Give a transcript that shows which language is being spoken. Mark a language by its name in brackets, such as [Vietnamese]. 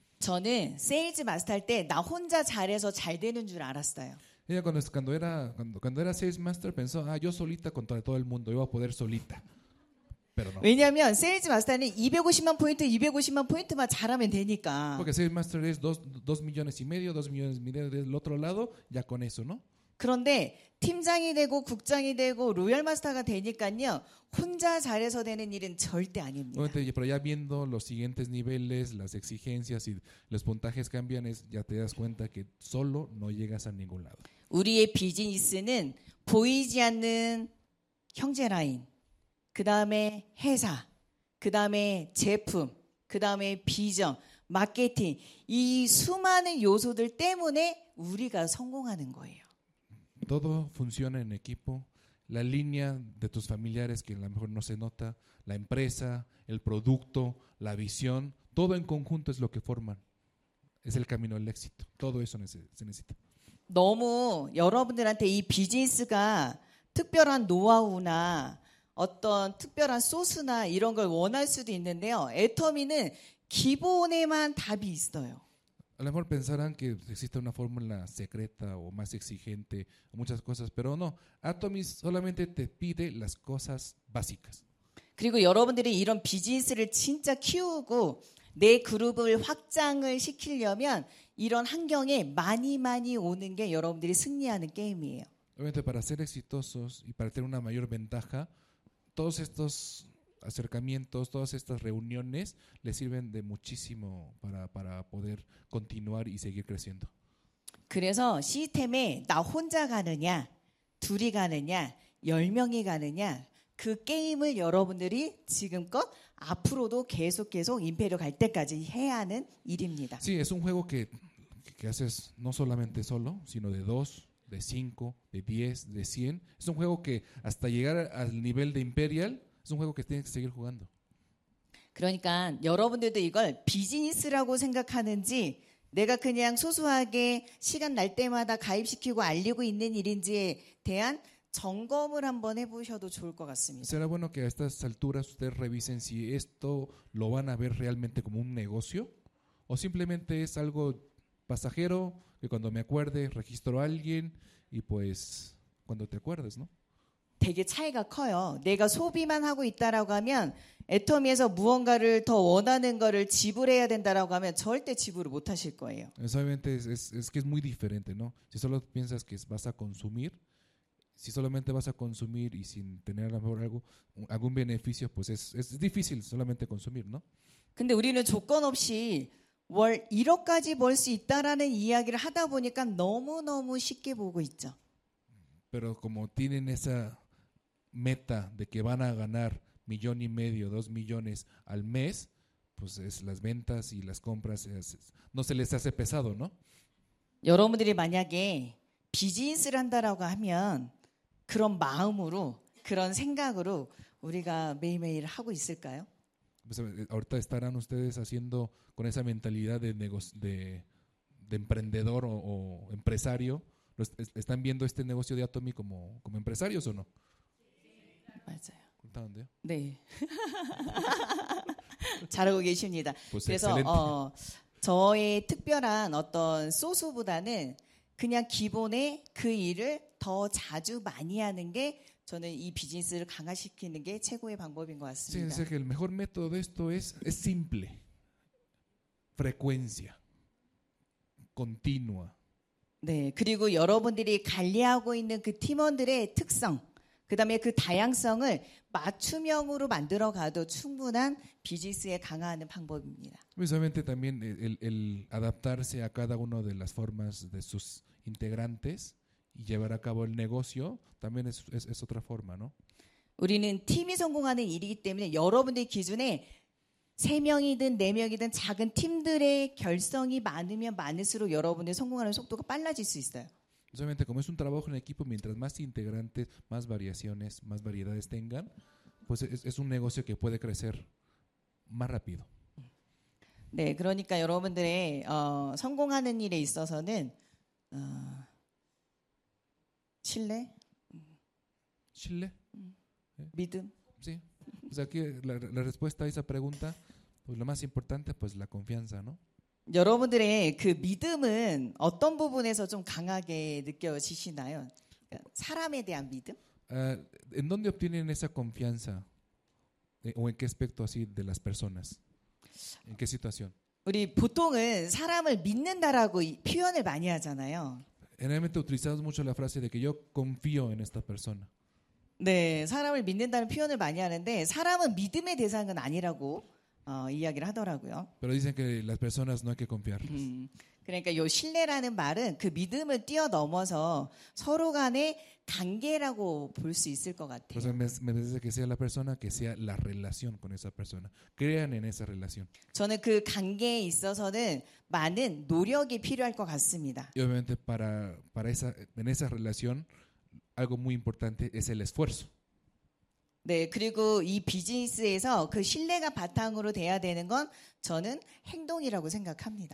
[Korean] 저는 세일즈 마스터 할 때 나 혼자 잘해서 잘 되는 줄 알았어요. [Spanish] Ella cuando era sales master pensó, yo solita contra todo el mundo, iba a poder solita. Pero no. [Korean] 왜냐면 sales master는 250만 포인트만 잘하면 되니까. [Spanish] Porque sales master es 2 millones y medio del otro lado, ya con eso, ¿no? [Korean] 그런데 팀장이 되고 국장이 되고 로얄 마스터가 되니까요. 혼자 잘해서 되는 일은 절대 아닙니다. [Spanish] Pero ya viendo los siguientes niveles, las exigencias y los puntajes cambian, ya te das cuenta que solo no llegas a ningún lado. [Korean] 우리의 비즈니스는 보이지 않는 형제 라인, 그 다음에 회사, 그 다음에 제품, 그 다음에 비전, 마케팅, 이 수많은 요소들 때문에 우리가 성공하는 거예요. [Spanish] Todo funciona en equipo. La línea de tus familiares que a lo mejor no se nota, la empresa, el producto, la visión, todo en conjunto es lo que forman. Es el camino al éxito. Todo eso se necesita. [Korean] 너무 여러분들한테 이 비즈니스가 특별한 노하우나 어떤 특별한 소스나 이런 걸 원할 수도 있는데요. 애터미는 기본에만 답이 있어요. [Spanish] A lo mejor pensarán que existe una fórmula secreta o más exigente o muchas cosas, pero no. Atomy solamente te pide las cosas básicas. [Korean] 그리고 여러분들이 이런 비즈니스를 진짜 키우고 내 그룹을 확장을 시키려면 이런 환경에 많이 많이 오는 게 여러분들이 승리하는 게임이에요. [Spanish] Obviamente para ser exitosos y para tener una mayor ventaja, todos estos acercamientos, todas estas reuniones le sirven de muchísimo para poder continuar y seguir creciendo. [Korean] 그래서 시스템에 나 혼자 가느냐, 둘이 가느냐, 열 명이 가느냐, 그 게임을 여러분들이 지금껏 앞으로도 계속 계속 임페리오 갈 때까지 해야 하는 일입니다. [Spanish] Sí, es un juego que haces no solamente solo, sino de dos, de cinco, de diez, de cien. Es un juego que hasta llegar al nivel de imperial es un juego que tienes que seguir jugando. [Korean] 그러니까 여러분들도 이걸 비즈니스라고 생각하는지 내가 그냥 소소하게 시간 날 때마다 가입시키고 알리고 있는 일인지에 대한 점검을 한번 해 보셔도 좋을 것 같습니다. [Spanish] Será bueno que a estas alturas ustedes revisen si esto lo van a ver realmente como un negocio o simplemente es algo pasajero que cuando me acuerde registro a alguien y pues cuando te acuerdes, ¿no? [Korean] 되게 차이가 커요. 내가 소비만 하고 있다라고 하면 애터미에서 무언가를 더 원하는 거를 지불해야 된다라고 하면 절대 지불을 못 하실 거예요. [Spanish] Obviamente es que es muy diferente, ¿no? Si solo piensas que vas a consumir, si solamente vas a consumir y sin tener a lo mejor algún beneficio, pues es difícil solamente consumir, ¿no? [Korean] 근데 우리는 조건 없이 월 1억까지 벌 수 있다라는 이야기를 하다 보니까 너무너무 쉽게 보고 있죠. [Spanish] Pero como tienen esa meta de que van a ganar 1.5 millones, 2 millones al mes, pues es las ventas y las compras, no se les hace pesado, ¿no? [Korean] 여러분들이 만약에 비즈니스를 한다라고 하면 그런 마음으로, 그런 생각으로 우리가 매일매일 하고 있을까요? [Spanish] Pues ahorita estarán ustedes haciendo con esa mentalidad de emprendedor o empresario. ¿Están viendo este negocio de Atomy como empresarios o no? ¿Dónde? Sí. [Korean] 잘하고 계십니다. [Spanish] Pues [Korean] 그래서 저의 특별한 어떤 소스보다는 그냥 기본에 그 일을 더 자주 많이 하는 게 저는 이 비즈니스를 강화시키는 게 최고의 방법인 것 같습니다. [Spanish] Sí, es que el mejor método de esto es simple. Frecuencia. Continua. [Korean] 네, 그리고 여러분들이 관리하고 있는 그 팀원들의 특성, 그 다음에 그 다양성을 맞춤형으로 만들어가도 충분한 비즈니스에 강화하는 방법입니다. [Spanish] Precisamente también el adaptarse a cada uno de las formas de sus integrantes y llevar a cabo el negocio también es otra forma, ¿no? [Korean] 우리는 팀이 성공하는 일이기 때문에 여러분들 기준에 세 명이든 네 명이든 작은 팀들의 결성이 많으면 많을수록 여러분의 성공하는 속도가 빨라질 수 있어요. [Spanish] Solamente como es un trabajo en equipo, mientras más integrantes, más variaciones, más variedades tengan, pues es un negocio que puede crecer más rápido. [Korean] 네, 그러니까 여러분들의 성공하는 일에 있어서는 신뢰, 신뢰, 믿음. [Spanish] Sí. O sea, aquí la respuesta a esa pregunta, pues lo más importante, pues la confianza, ¿no? [Korean] 여러분들의 그 믿음은 어떤 부분에서 좀 강하게 느껴지시나요? 그러니까 사람에 대한 믿음? [Spanish] ¿En dónde obtienen esa confianza? ¿O en qué aspecto así de las personas? ¿En qué situación? [Korean] 우리 보통은 사람을 믿는다라고 표현을 많이 하잖아요. [Spanish] Generalmente utilizamos mucho la frase de que yo confío en esta persona. [Korean] 네, 사람을 믿는다는 표현을 많이 하는데 사람은 믿음의 대상은 아니라고 이야기를 하더라고요. [Spanish] Pero dicen que las personas no hay que confiarles. [Korean] 그러니까 요 신뢰라는 말은 그 믿음을 뛰어넘어서 서로 간의 관계라고 볼 수 있을 것 같아요. [Spanish] Pues me dice que sea la persona que sea la relación con esa persona. Crean en esa relación. [Korean] 저는 그 관계에 있어서는 많은 노력이 필요할 것 같습니다. [Spanish] Y obviamente para esa en esa relación algo muy importante es el esfuerzo. [Korean] 네, 그리고 이 비즈니스에서 그 신뢰가 바탕으로 돼야 되는 건 저는 행동이라고 생각합니다.